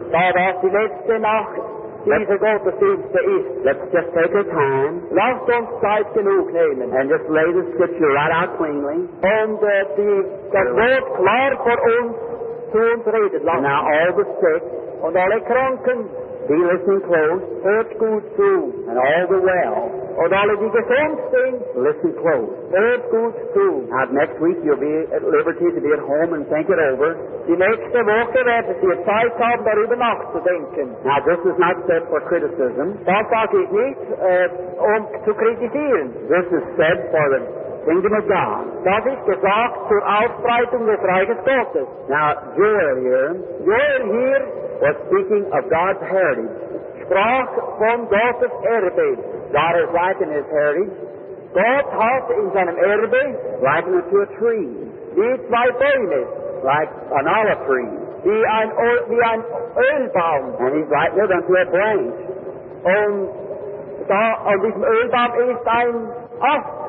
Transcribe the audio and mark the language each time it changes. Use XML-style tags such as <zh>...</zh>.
<de>Da das die letzte Nacht dieser Gottesdienste ist.</de> <en>Let's just take our time.</en> <de>Lasst uns Zeit genug nehmen.</de> <en>And just lay the scripture right out cleanly.</en> <de>Und das Wort klar vor uns.</de> <en>Now all the sick</en> <de>und alle Kranken,</de> <en>be listening close,</en> <de>hört gut zu,</de> <en>and all the well,</en> <de>und alle die gesund sind,</de> <en>listen close,</en> <de>hört gut zu.</de> <en>Now next week you'll be at liberty to be at home and think it over.</en> <de>Die nächste Woche werden Sie Zeit haben, darüber nachzudenken.</de> <en>Now this is not said for criticism.</en> <de>Das sage ich nicht, zu kritisieren.</de> <en>This is said for the Kingdom of God.</en> <de>Das ist gesagt zur Ausbreitung des Reiches Gottes.</de> <en>Now, Joel here was speaking of God's heritage.</en> <de>Sprach von Gottes Erbe.</de> <en>God is like in his heritage.</en> <de>Gott hat in seinem Erbe</de> <en>likened to a tree.</en> <de>Wie zwei Bäume.</de> <en>like an olive tree.</en> <de>Wie ein Ölbaum.</de> <en>And he's right near them to a branch.</en> <de>Und da an diesem Ölbaum ist ein Ast.</de>